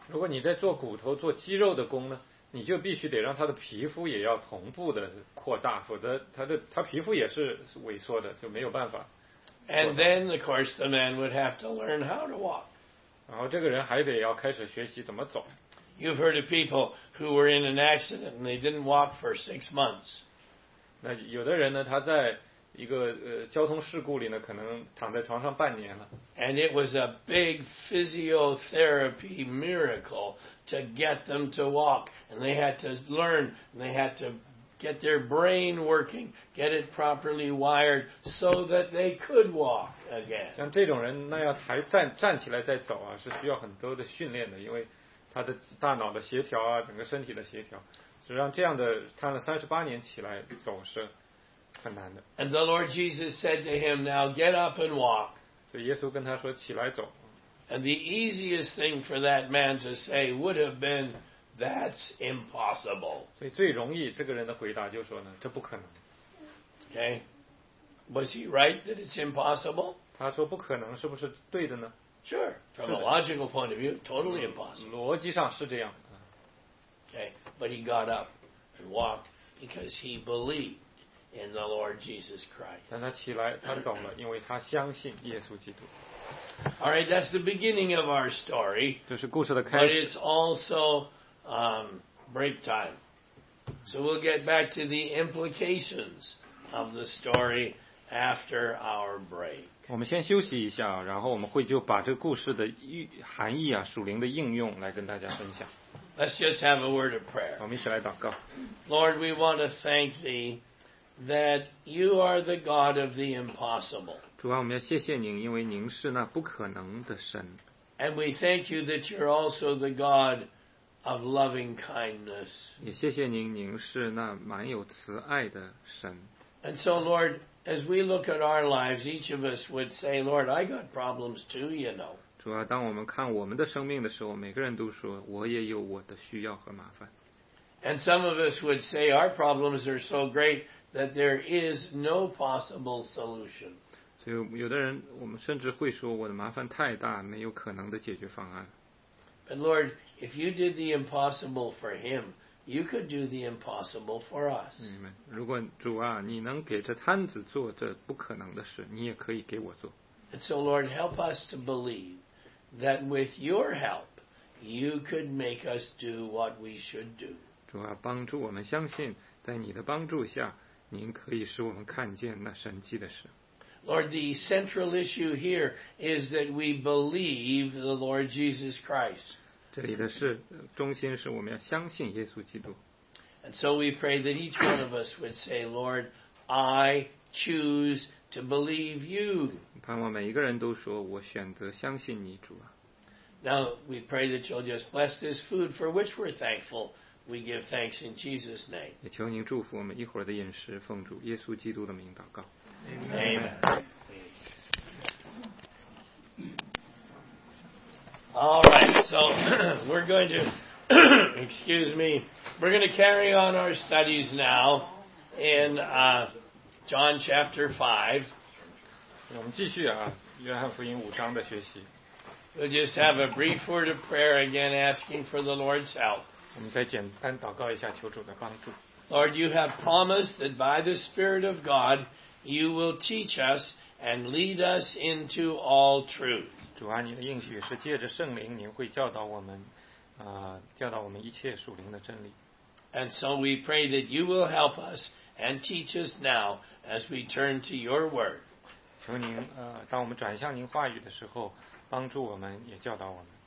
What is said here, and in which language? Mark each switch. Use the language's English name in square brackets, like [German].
[Chinese] 如果你在做骨头做肌肉的工呢，你就必须得让他的皮肤也要同步的扩大，否则他皮肤也是萎缩的，就没有办法。 [English] And then of course the man would have to learn how to walk. [Chinese] 然后这个人还得要开始学习怎么走。 [English] You've heard of people who were in an accident and they didn't walk for 6 months. [Chinese] 那有的人呢，他在一个交通事故里呢，可能躺在床上半年了。 [English] And it was a big physiotherapy miracle to get them to walk, and they had to learn, and they had to get their brain working, get it properly wired, so that they could walk again. [Chinese] 像这种人，那要还站起来再走啊，是需要很多的训练的，因为他的大脑的协调啊，整个身体的协调，实际上这样的瘫了38年起来走是。 [English] And the Lord Jesus said to him, now get up and walk. [Chinese] 所以耶稣跟他说起来走。 [English] And the easiest thing for that man to say would have been, that's impossible. [Chinese] 所以最容易这个人的回答就说呢，这不可能。 [English] Okay. Was he right that it's impossible? [Chinese] 他说不可能是不是对的呢？ [English] Sure. From a logical point of view, totally impossible. [Chinese] 逻辑上是这样。 [English] Okay. But he got up and walked because he believed in the Lord Jesus Christ. [Chinese] 但他起来，他走了，因为他相信耶稣基督。 [English] All right, that's the beginning of our story. [Chinese] 这是故事的开始。 [English] But it's also break time. So we'll get back to the implications of the story after our break. [Chinese] 我们先休息一下，然后我们会就把这个故事的含义啊，属灵的应用来跟大家分享。 [English] Let's just have a word of prayer. [Chinese] 我们一起来祷告。 [English] Lord, we want to thank Thee that you are the God of the impossible. [Chinese] 主啊，我们要谢谢您，因为您是那不可能的神。 [English] And we thank you that you're also the God of loving kindness. [Chinese] 也谢谢您，您是那满有慈爱的神。 [English] And so, Lord, as we look at our lives, each of us would say, Lord, I got problems too, you know. [Chinese] 主啊，当我们看我们的生命的时候，每个人都说，我也有我的需要和麻烦。 [English] And some of us would say, our problems are so great that there is no possible solution. [Chinese] 所以有的人，我们甚至会说，我的麻烦太大，没有可能的解决方案。 [English] But Lord, if you did the impossible for him, you could do the impossible for us. [Chinese] 你们，如果主啊，你能给这摊子做这不可能的事，你也可以给我做。 [English] And so, Lord, help us to believe that with your help, you could make us do what we should do. [Chinese] 主啊，帮助我们相信，在你的帮助下，您可以使我们看见那神迹的事。 [English] Lord, the central issue here is that we believe the Lord Jesus Christ. [Chinese] 这里的是中心是我们要相信耶稣基督。 [English] And so we pray that each one of us would say, Lord, I choose to believe you. [Chinese] 盼望每一个人都说，我选择相信你，主啊。 [English] Now we pray that you'll just bless this food for which we're thankful. We give thanks in Jesus' name. [Chinese] 也求您祝福我们一会儿的饮食，奉主耶稣基督的名祷告。 [English] Amen. All right, so we're going to, excuse me, we're going to carry on our studies now in John chapter 5. [Chinese] 我们继续啊，约翰福音五章的学习。 [English] We'll just have a brief word of prayer again, asking for the Lord's help. [Chinese] 我们再简单祷告一下，求主的帮助。 [English] Lord, you have promised that by the Spirit of God, you will teach us and lead us into all truth. [Chinese] 主啊，你的应许是借着圣灵，您会教导我们，教导我们一切属灵的真理。 [English] And so we pray that you will help us and teach us now as we turn to your word. [Chinese] 求您，当我们转向您话语的时候，帮助我们，也教导我们。